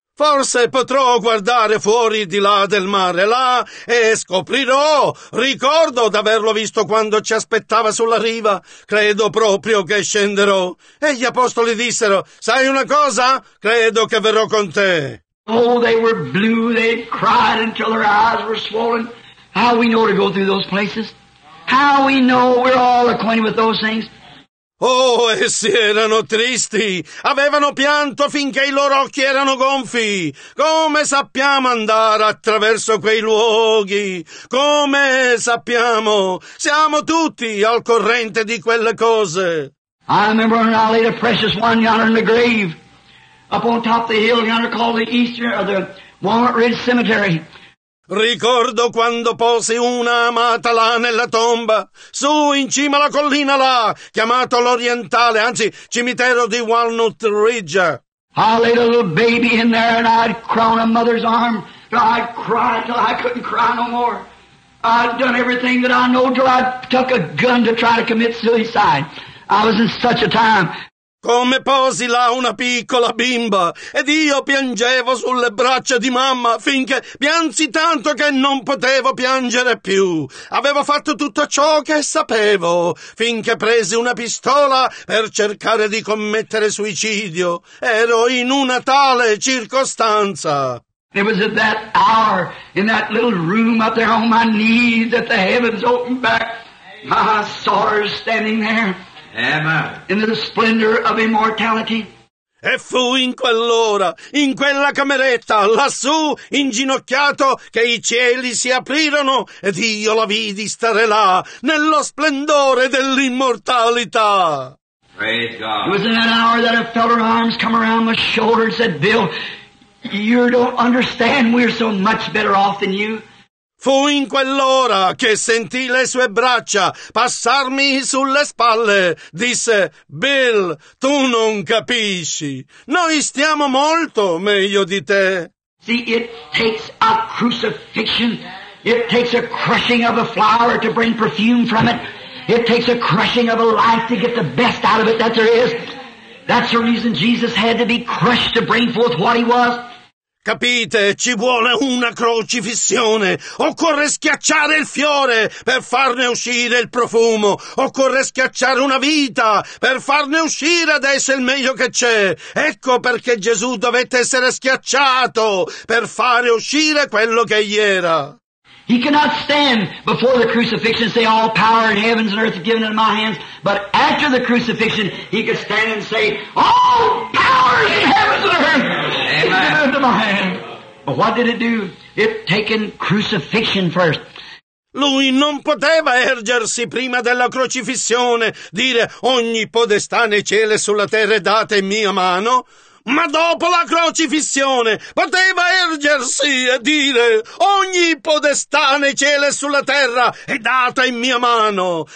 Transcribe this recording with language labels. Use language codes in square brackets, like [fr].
[it] Forse potrò guardare fuori di là del mare, là, e scoprirò. Ricordo d'averlo visto quando ci aspettava sulla riva. Credo proprio che scenderò. E gli apostoli dissero, sai una cosa? Credo che verrò con te. [en] Oh, they were blue. They cried until their eyes were swollen. How we know to go through those places? How we know we're all acquainted with those things? [it] Oh, essi erano tristi. Avevano pianto finché i loro occhi erano gonfi. Come sappiamo andare attraverso quei luoghi? Come sappiamo? Siamo tutti al corrente di quelle cose. [en] I remember when I laid a precious one yonder in the grave, up on top of the hill yonder called the Eastern or the Walnut Ridge Cemetery. [it] Ricordo quando posi una amata là nella tomba, su in cima alla collina là, chiamato l'Orientale, anzi cimitero di Walnut Ridge. [en] I laid a little baby in there and I'd cry on a mother's arm, and I'd cry till I couldn't cry no more. I'd done everything that I know till I took a gun to try to commit suicide. I was in such a time. [it] Come posi là una piccola bimba, ed io piangevo sulle braccia di mamma, finché piansi tanto che non potevo piangere più. Avevo fatto tutto ciò che sapevo, finché presi una pistola per cercare di commettere suicidio. Ero in una tale circostanza. [en] It was at that hour, in that little room up there on my knees, that the heavens opened back. My sorrow standing there. In the splendor of immortality. [it] E fu in quell'ora, in quella cameretta, lassù, inginocchiato, che i cieli si aprirono ed io la vidi stare là, nello splendore dell'immortalità. [en] Praise God. It was in that hour that I felt her arms come around my shoulder and said, Bill, you don't understand, we're so much better off than you. [it] Fu in quell'ora che sentì le sue braccia passarmi sulle spalle. Disse, Bill, tu non capisci. Noi stiamo molto meglio di te. [en] See, it takes a crucifixion. It takes a crushing of a flower to bring perfume from it. It takes a crushing of a life to get the best out of it that there is. That's the reason Jesus had to be crushed to bring forth what he was. [it] Capite, ci vuole una crocifissione. Occorre schiacciare il fiore per farne uscire il profumo. Occorre schiacciare una vita per farne uscire adesso il meglio che c'è. Ecco perché Gesù dovette essere schiacciato per fare uscire quello che gli era. [en] He cannot stand before the crucifixion and say, all power in heavens and earth is given into my hands. But after the crucifixion, he could stand and say, all power in heavens and earth is given into my hands. But what did it do? It taken crucifixion first. [it] Lui non poteva ergersi prima della crocifissione, dire, ogni potestà nei cieli e sulla terra è data in mia mano. Ma dopo la crocifissione poteva ergersi e dire ogni potestà nei cieli e sulla terra è data in mia mano.